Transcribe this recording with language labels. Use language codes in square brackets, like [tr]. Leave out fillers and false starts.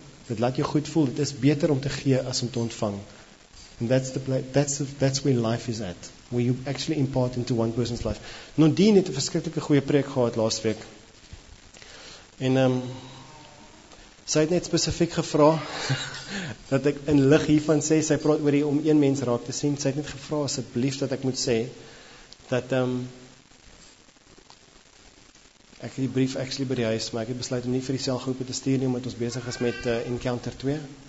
[af] Dit laat jou goed voel. Dit is beter om te gee as om te ontvang. [en] And that's where life is at. Where you actually impart into one person's life. [af] Nadine het 'n verskriklike goeie preek gehad laasweek. En sy het net spesifiek gevra dat ek in lig hiervan sê, sy praat oor die om een mens raak te sien. Sy het net gevra asseblief dat ek moet sê dat ek het die brief actually by die huis, maar ek het besluit om nie vir die selgroepe te stuur nie, omdat ons besig is met Encounter 2.